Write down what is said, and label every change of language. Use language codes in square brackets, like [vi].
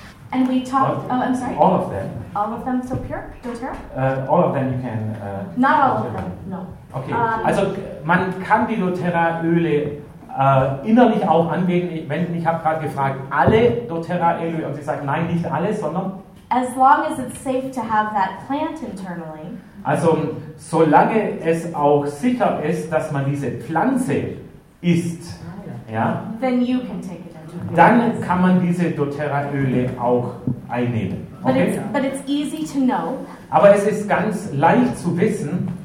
[en] And we talked. Oh, I'm sorry. All of them. All of them so pure? doTERRA? All of them you can. Not all of them. No. Okay. [de] Also man kann die doTERRA Öle innerlich auch anwenden. Ich habe gerade gefragt, alle doTERRA Öle, und sie sagen, nein, nicht alle, sondern. [en] As long as it's safe to have that plant internally. [de] Also solange es auch sicher ist, dass man diese Pflanze isst, ja. [en] Then you can take it. [de] dann kann man diese doTERRA-Öle auch einnehmen. [en] Okay? But it's easy to know. [de] Aber es ist ganz leicht zu wissen.